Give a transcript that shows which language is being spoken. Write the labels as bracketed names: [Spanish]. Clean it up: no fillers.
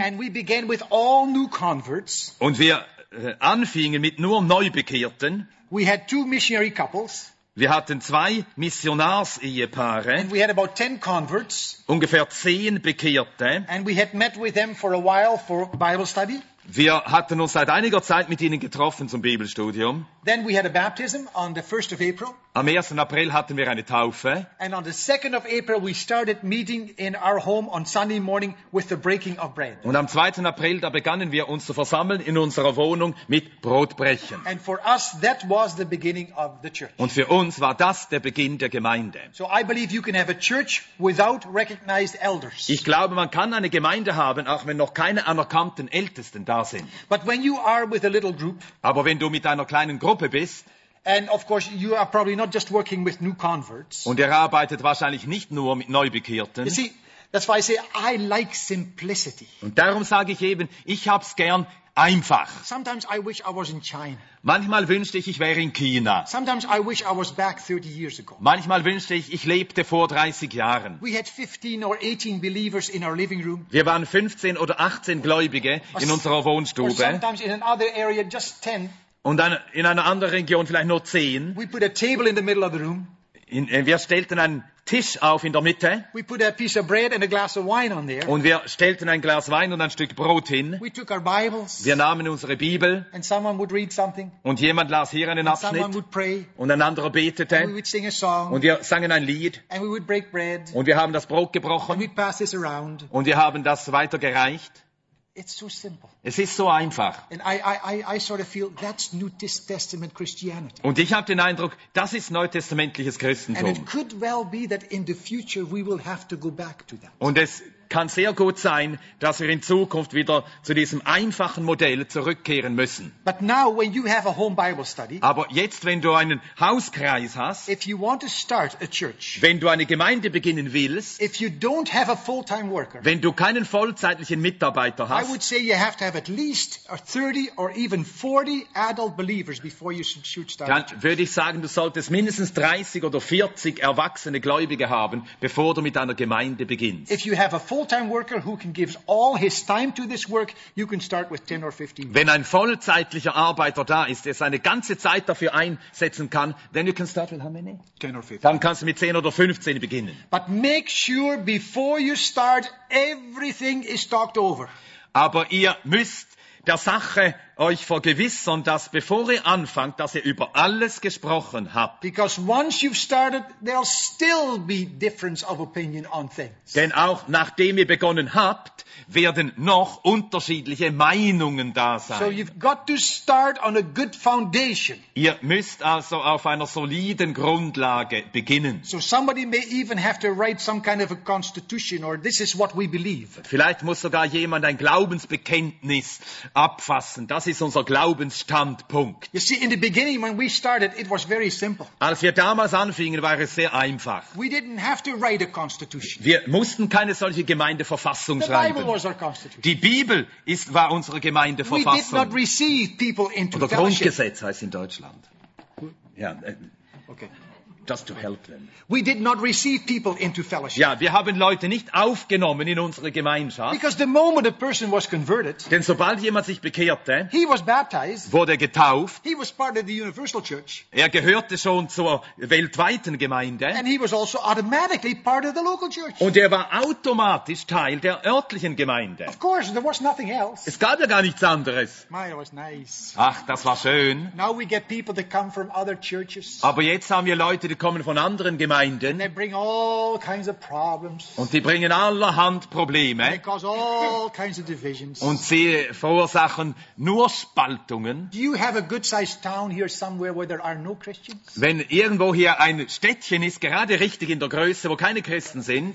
[English] and we began with all new converts, [German] und wir anfingen mit nur Neubekehrten, [English] we had two missionary couples, [German] wir hatten zwei Missionars-Ehepaare, [English] and we had about 10 converts, [German] ungefähr 10 Bekehrte, [English] and we had met with them for a while for Bible study. [German] Wir hatten uns seit einiger Zeit mit ihnen getroffen zum Bibelstudium. [English] Then we had a baptism on the 1st of April. [German] Am 1. April hatten wir eine Taufe. [English] And on the 2nd of April we started meeting in our home on Sunday morning with the breaking of bread. [German] Und am 2. April da begannen wir uns zu versammeln in unserer Wohnung mit Brotbrechen. [English] And for us that was the beginning of the church. [German] Und für uns war das der Beginn der Gemeinde. [English] So I believe you can have a church without recognized elders. [German] Ich glaube, man kann eine Gemeinde haben, auch wenn noch keine anerkannten Ältesten da sind. [English] But when you are with a little group, [German] aber wenn du mit einer kleinen Gruppe bist, [English] and of course you are probably not just working with new converts, [German] und er arbeitet wahrscheinlich nicht nur mit Neubekehrten. [English] You see, that's why I say I like simplicity. [German] Und darum sage ich eben, ich hab's gern einfach. [English] Sometimes I wish I was in China. [German] Manchmal wünschte ich wäre in China. [English] Sometimes I wish I was back 30 years ago. [German] Manchmal wünschte ich lebte vor 30 Jahren. [English] We had 15 or 18 believers in our living room. [German] Wir waren 15 oder 18 Gläubige in unserer Wohnstube. [English] Or sometimes in another area just 10. [German] Und dann in einer anderen Region vielleicht nur 10. [English] We put a table in the middle of the room. [German] Wir stellten einen Tisch auf in der Mitte. [English] We put a piece of bread and a glass of wine on there. [German] Und wir stellten ein Glas Wein und ein Stück Brot hin. [English] We took our Bibles. [German] Wir nahmen unsere Bibel. [English] And someone would read something. [German] Und jemand las hier einen [English] and [German] Abschnitt. [English] Someone would pray. [German] Und ein anderer betete. [English] And we would sing a song. [German] Und wir sangen ein Lied. [English] And we would break bread. [German] Und wir haben das Brot gebrochen. [English] And we'd pass this around. [German] Und wir haben das weitergereicht. [English] It's so simple. [German] Es ist so einfach. [English] And I sort of feel that's New Testament Christianity. [German] Und ich habe den Eindruck, das ist neutestamentliches Christentum. [English] And it could well be that in the future we will have to go back to that. [German] Und es kann sehr gut sein, dass wir in Zukunft wieder zu diesem einfachen Modell zurückkehren müssen. [English] But now when you have a home Bible study, [German] aber jetzt, wenn du einen Hauskreis hast, [English] if you want to start a church, [German] wenn du eine Gemeinde beginnen willst, [English] if you don't have a full-time worker, [German] wenn du keinen vollzeitlichen Mitarbeiter hast, [English] I would say you have to have at least 30 or even 40 adult believers before you should start a church. [German] Dann würde ich sagen, du solltest mindestens 30 oder 40 erwachsene Gläubige haben, bevor du mit einer Gemeinde beginnst. [English] If you have a full-time worker who can give all his time to this work, you can start with 10 or 15. [German] Wenn ein vollzeitlicher Arbeiter da ist, der seine ganze Zeit dafür einsetzen kann, [English] then you can start with how many? 10 or 15. [German] Dann kannst du mit 10 oder 15 beginnen. [English] But make sure before you start, everything is talked over. [German] Aber ihr müsst der Sache euch vergewissern, dass bevor ihr anfangt, dass ihr über alles gesprochen habt. [English] Because once you've started, there'll still be difference of opinion on things. [German] Denn auch nachdem ihr begonnen habt, werden noch unterschiedliche Meinungen da sein. [English] So you've got to start on a good foundation. [German] Ihr müsst also auf einer soliden Grundlage beginnen. [English] So somebody may even have to write some kind of a constitution or this is what we believe. [German] Vielleicht muss sogar jemand ein Glaubensbekenntnis abfassen. Das ist unser Glaubensstandpunkt. [English] You see, in the beginning when we started, it was very simple. [German] Als wir damals anfingen, war es sehr einfach. [English] We didn't have to write a constitution. [German] Wir mussten keine solche Gemeindeverfassung schreiben. [English] The Bible was our constitution. [German] Die Bibel war unsere Gemeindeverfassung. [English] We did not receive people into [German] oder [English] fellowship. [German] Grundgesetz heißt in Deutschland. Ja, okay. [English] Just to help them. We did not receive people into fellowship. [German] Ja, wir haben Leute nicht aufgenommen in unsere Gemeinschaft. [English] Because the moment a person was converted, [German] denn sobald jemand sich bekehrte, [English] he was baptized, [German] wurde getauft, [English] he was part of the universal church, [German] er gehörte schon zur weltweiten Gemeinde, [English] and he was also automatically part of the local church. [German] Und er war automatisch Teil der örtlichen Gemeinde. [English] Of course, there was nothing else. [German] Es gab ja gar nichts anderes. [English] My, it was nice. [German] Ach, das war schön. [English] Now we get people that come from other churches. [German] Aber jetzt haben wir Leute, die kommen von anderen Gemeinden. [English] And they bring all kinds of problems. [German] Und die bringen allerhand Probleme. [English] And they cause all kinds of divisions. [German] Und sie verursachen nur Spaltungen. [English] Do you have a good-sized town here somewhere where there are no Christians? [German] Wenn irgendwo hier ein Städtchen ist, gerade richtig in der Größe, wo keine Christen sind,